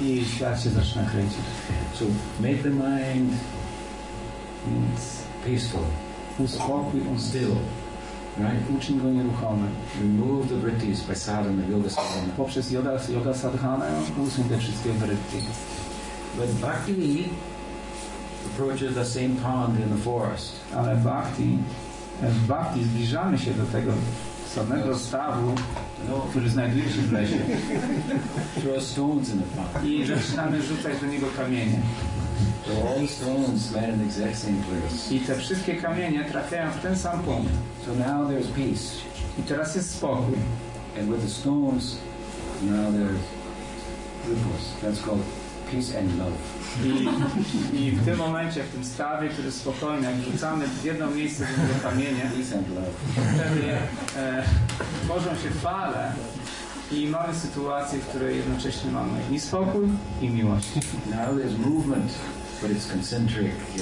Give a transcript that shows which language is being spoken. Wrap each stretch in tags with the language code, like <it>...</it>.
<pl>I świat się zaczyna kręcić.</pl> <en>So make the mind peaceful.</en> <pl>Uspokój on</pl> <en>still. Right?</en> <pl>Uczyń go nieruchomy.</pl> <en>Remove the vrittis by sadhana, yoga sadhana.</en> <pl>Poprzez yoga sadhana usuń te wszystkie vritti.</pl> <en>But bhakti approaches the same pond in the forest.</en> <pl>Ale w bhakti zbliżamy się do tego samego stawu, który znajduje się w lesie.</pl> <en>Throw stones in the pond.</en> <pl>I zaczynamy rzucać do niego kamienie.</pl> <en>So all stones land in the exact same place.</en> <pl>I te wszystkie kamienie trafiają w ten sam punkt.</pl> <en>So now there's peace.</en> <pl>I teraz jest spokój.</pl> <en>And with the stones, now there's ripples. That's called peace and love.</en> <pl>I w tym momencie, w tym stawie, który spokojnie, jak wrzucamy w jedno miejsce w to kamienie, wtedy tworzą się fale i mamy sytuację, w której jednocześnie mamy i spokój, i miłość.</pl> <en>Now there's movement, but it's concentric.</en>